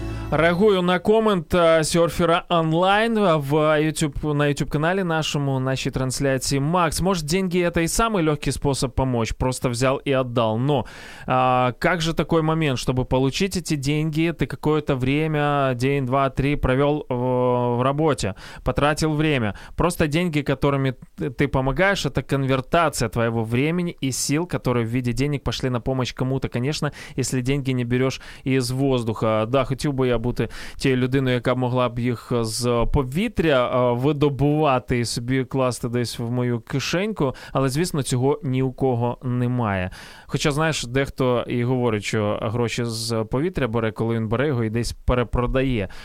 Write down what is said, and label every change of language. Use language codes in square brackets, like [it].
[ru] Реагую на комент серфера онлайн в YouTube, на YouTube-канале нашему, нашей трансляции. Макс, может, деньги — это и самый легкий способ помочь, просто взял и отдал. Но как же такой момент, чтобы получить эти деньги, ты какое-то время, день, два, три провел в работе, потратил время. Просто деньги, которыми ты помогаешь, это конвертация твоего времени и сил, которые в виде денег пошли на помощь кому-то. Конечно, если деньги не берешь из воздуха. [uk] Да, хотів би я бути тією людиною, яка могла б їх з повітря видобувати і собі класти десь в мою кишеньку, але, звісно, цього ні у кого немає. Хоча, знаєш, дехто і говорить, що гроші з повітря бере, коли він бере його і десь перепродає.